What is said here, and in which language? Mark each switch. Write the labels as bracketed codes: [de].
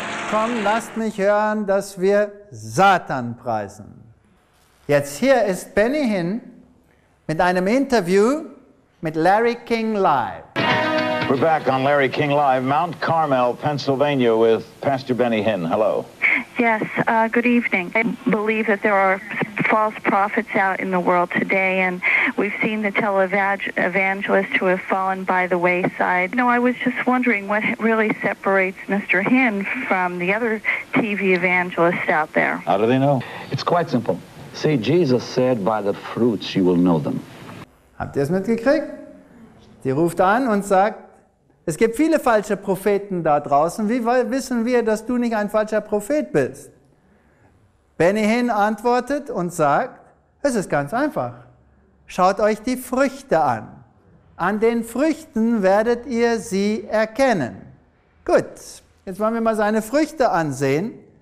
[de] Komm, lasst mich hören, dass wir Satan preisen. Jetzt hier ist Benny Hinn mit einem Interview mit Larry King Live. [en] We're back on Larry King Live, Mount Carmel, Pennsylvania, with Pastor Benny Hinn. Hello. Yes, good evening. I believe that there are false prophets out in the world today, and we've seen the televangelists who have fallen by the wayside. No, I was just wondering what really separates Mr. Hinn from the other TV evangelists out there. How do they know? It's quite simple. See, Jesus said, by the fruits you will know them. [de] Habt ihr es mitgekriegt? Die ruft an und sagt, es gibt viele falsche Propheten da draußen. Wie wissen wir, dass du nicht ein falscher Prophet bist? Benny Hinn antwortet und sagt, es ist ganz einfach. Schaut euch die Früchte an. An den Früchten werdet ihr sie erkennen. Gut, jetzt wollen wir mal seine Früchte ansehen.